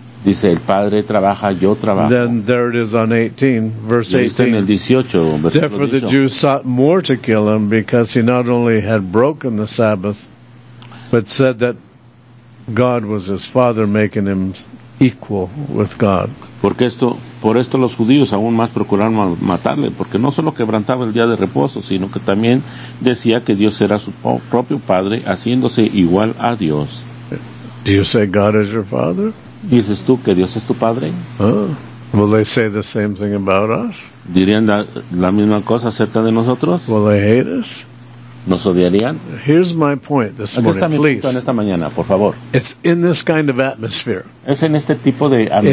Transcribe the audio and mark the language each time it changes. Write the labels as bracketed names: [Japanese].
[Spanish] Dice, el Padre trabaja, yo trabajo. [English] Then there it is on 18, verse 18. [Spanish] En el 18 versículo [English] therefore [Spanish] 18. [English] The Jews sought more to kill him, because he not only had broken the Sabbath, but said that God was his Father, making him equal with God. [Spanish] Porque esto, por esto los judíos aún más procuraron matarle, porque no solo quebrantaba el día de reposo, sino que también decía que Dios era su propio padre, haciéndose igual a Dios. [English] Do you say God is your father? [Spanish] ¿Dices tú que Dios es tu padre? Oh. [English] Will they say the same thing about us? [Spanish] ¿Dirían la misma cosa acerca de nosotros? [English] Will they hate us? [Spanish] ¿Nos odiarían? [English] Here's my point this morning, [Spanish] aquí está mi punto [English] please. [Spanish] En esta mañana, por favor. [English] It's in this kind of atmosphere. [Spanish] Es en este tipo de atmósfera.